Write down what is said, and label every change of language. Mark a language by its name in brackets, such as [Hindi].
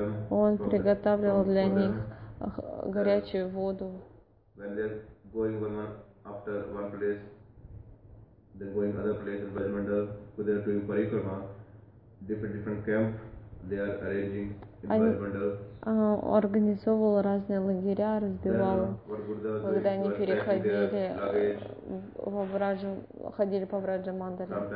[Russian] Он приготовил для них горячую воду. [English] When they are going one after one place, they are going other place in Vajmandal, who they are doing parikrama, different camp they are arranging in Vajmandal. [Russian] Организовывал разные лагеря, разбивал, когда они переходили в Враджа, ходили по Враджа Мандале.